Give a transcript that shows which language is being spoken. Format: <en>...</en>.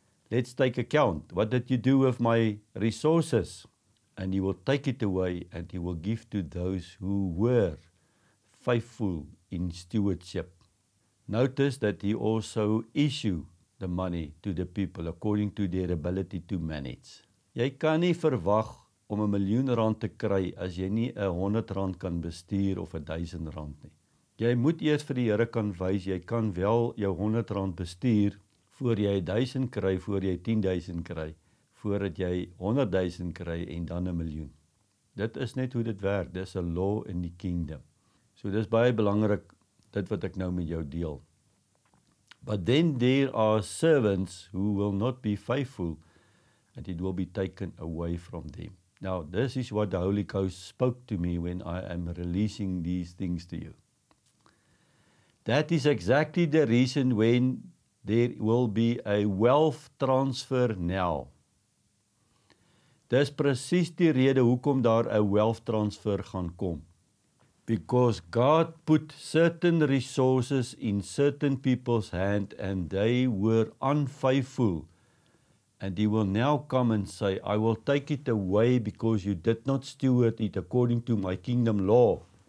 <en>Let's take account. What did you do with my resources?" And he will take it away and he will give to those who were faithful in stewardship. Notice that he also issue the money to the people according to their ability to manage.</en> <af>Jy kan nie verwag om 'n miljoen rand te kry as jy nie 100 rand kan bestuur of 1000 rand nie. Jy moet eers vir die Here kan wys jy kan wel jou 100 rand bestuur voor jy 1000 kry, voor jy 10000 kry, voordat jy 100000 kry en dan 'n miljoen. Dit is net hoe dit werk, dis 'n law in die kingdom. So dis baie belangrik dit wat ek nou met jou deel.</af> <en>But then there are servants who will not be faithful and it will be taken away from them. Now this is what the Holy Ghost spoke to me when I am releasing these things to you. That is exactly the reason when there will be a wealth transfer now.</en> <af>Dis presies die rede hoekom daar 'n wealth transfer gaan kom.</af> <en>Because God put certain resources in certain people's hand and they were unfaithful. And he will now come and say, I will take it away because you did not steward it according to my kingdom law.</en>